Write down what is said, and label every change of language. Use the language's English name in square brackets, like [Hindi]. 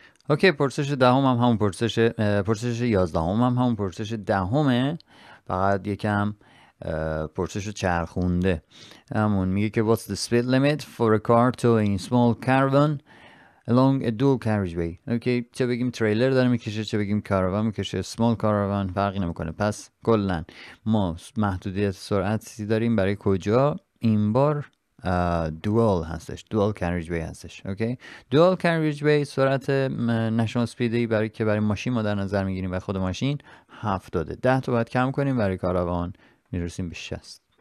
[Persian] اوکی، پرسش دهم هم همون پرسش، پرسش یازدهم هم همون پرسش دهمه، فقط یکم پرسش رو چرخونده. همون میگه که [English] What's the speed limit for a car to a small caravan along a dual carriageway؟ [Persian] اوکی، چه بگیم تریلر داره میکشه، چه بگیم کاروان میکشه، [English] small caravan [Persian] فرقی نمیکنه. پس کلن ما محدودیت سرعتی داریم برای کجا؟ این بار دوال هستش، دوال کریج وی هستش. اوکی، دوال کریج وی سرعت نشون سپیدی برای که برای ماشین ما در نظر میگیریم و خود ماشین 70، 10 تا باید کم کنیم، برای کاروان میرسیم به 60.